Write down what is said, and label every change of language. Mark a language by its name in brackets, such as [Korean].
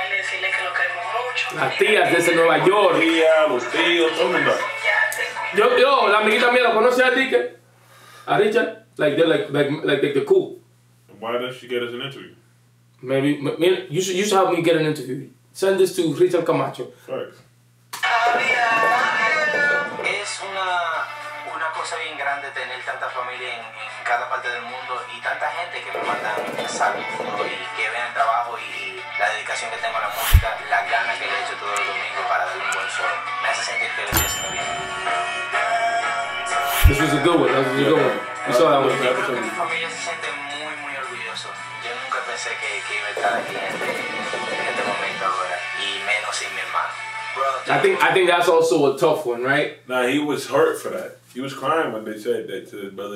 [Spanish] a Leslie, que lo queremos mucho. A tías desde Nueva York. Tía, los tíos, yo, la amiguita mía, ¿la conoce a Dike? [English] A Richard? Like, they're like they're cool. And why doesn't she get us an interview? Maybe, you should help me get an interview. Send this to Richard Camacho. Thanks. [Spanish] Es una cosa bien grande tener tanta familia en cada parte del mundo y tanta gente que me manda saludos y que vean el trabajo y la dedicación que tengo a la música, las ganas que le he hecho todos los domingos para dar un buen show. Me hace sentir feliz y haciendo bien. [English] This was a good one, You saw that one. [Spanish] Mi familia se siente muy, muy orgulloso. Yo nunca pensé que iba a estar aquí en este momento ahora, y menos sin mi hermano. [English] I think that's also a tough one, right? Nah, he was hurt for that. He was crying when they said that to his brother.